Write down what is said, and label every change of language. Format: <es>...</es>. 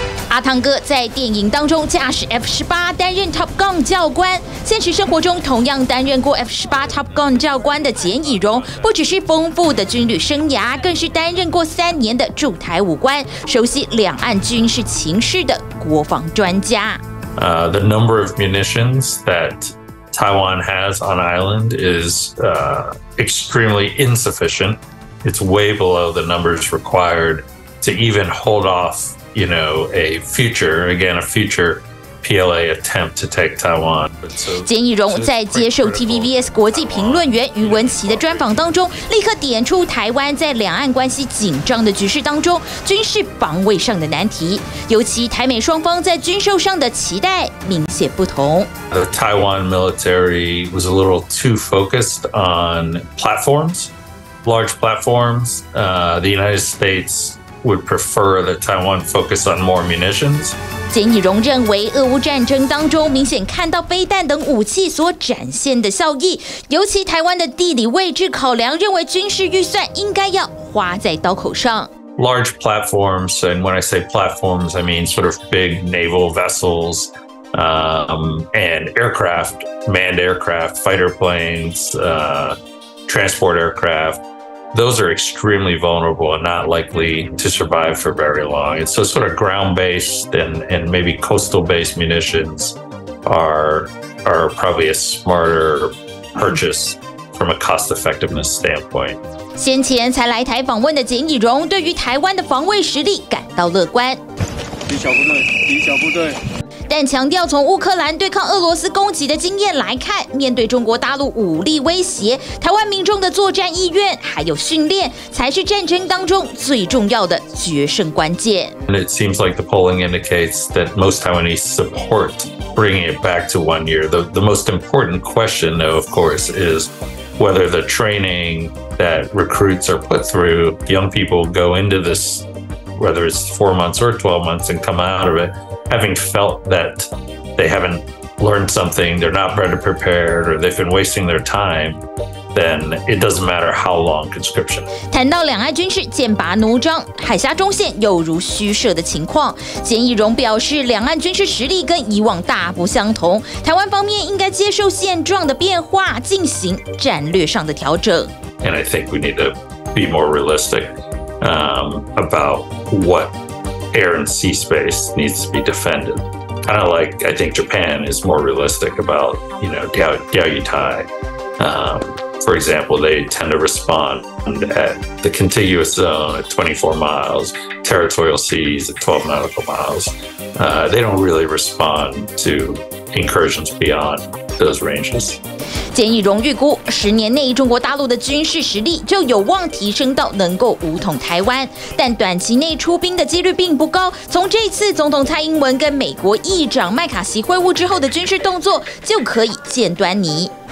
<zh>阿汤哥在电影当中驾驶 F18 担任 Top Gun 教官，现实生活中同样担任过 F18 Top Gun 教官的简以荣，不只是丰富的军旅生涯，更是担任过3年的驻台武官，熟悉两岸军事情势的国防专家。</zh> <en>The number of munitions that Taiwan has on island is extremely insufficient. It's way below the numbers required to even hold off. You know, a future PLA attempt to take Taiwan.</en> <zh>简以荣在接受 TVBS 国际评论员余文琪的专访当中，立刻点出台湾在两岸关系紧张的局势当中，军事防卫上的难题，尤其台美双方在军售上的期待明显不同。</zh> <en>The Taiwan military was a little too focused on platforms, large platforms. The United States. Would prefer that Taiwan focus on more munitions.</en> <zh>简以荣认为，俄乌战争当中明显看到飞弹等武器所展现的效益，尤其台湾的地理位置考量，认为军事预算应该要花在刀口上。</zh> <en>Large platforms, and when I say platforms, I mean sort of big naval vessels, and aircraft, manned aircraft, fighter planes, transport aircraft. Those are extremely vulnerable and not likely to survive for very long. And so sort of ground-based and maybe coastal-based munitions are probably a smarter purchase from a cost-effectiveness standpoint.</en> <zh>先前才来台访问的简以荣对于台湾的防卫实力感到乐观。李小部队，李小部队。但强调，从乌克兰对抗俄罗斯攻击的经验来看，面对中国大陆武力威胁，台湾民众的作战意愿还有训练，才是战争当中最重要的决胜关键。</zh> <en>And it seems like the polling indicates that most Taiwanese support bringing it back to 1 year. The most important question, though, of course, is whether the training that recruits are put through, young people go into this, whether it's 4 months or 12 months, and come out of it. Having felt that they haven't learned something, they're not better prepared, or they've been wasting their time, then it doesn't matter how long conscription.</en> <zh>谈到两岸军事剑拔弩张，海峡中线有如虚设的情况。简以荣表示，两岸军事实力跟以往大不相同，台湾方面应该接受现状的变化，进行战略上的调整。</zh> <en>And I think we need to be more realistic, about what. Air and sea space needs to be defended. Kind of like I think Japan is more realistic about, you know, Diaoyutai. For example, they tend to respond at the contiguous zone at 24 miles, territorial seas at 12 nautical miles. They don't really respond to incursions beyond those ranges.</en> <zh>简以荣预估，10年内中国大陆的军事实力就有望提升到能够武统台湾，但短期内出兵的几率并不高。从这次总统蔡英文跟美国议长麦卡锡会晤之后的军事动作就可以见端倪。</zh>